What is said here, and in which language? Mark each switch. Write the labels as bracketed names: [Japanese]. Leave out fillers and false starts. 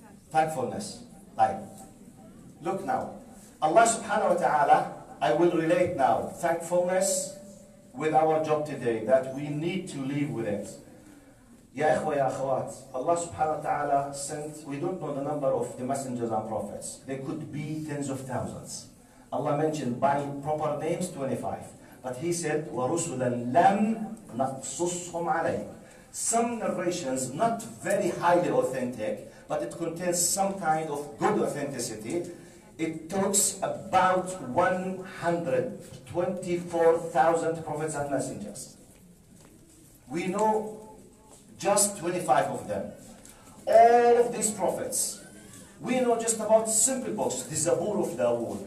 [English] Thankfulness. Like, look now, Allah subhanahu wa ta'ala, I will relate now thankfulness with our job today, that we need to live with it. Ya ikhwa ya akhwat, Allah subhanahu wa ta'ala sent, we don't know the number of the messengers and prophets. They could be tens of thousands. Allah mentioned by proper names 25. [Arabic] But he said, وَرُسُلًا لَمْ نَقْصُصْهُمْ عَلَيْهِ. [English] Some narrations, not very highly authentic, but it contains some kind of good authenticity. It talks about 124,000 prophets and messengers. We know just 25 of them. All of these prophets, we know just about simple books, the Zabur of Dawood.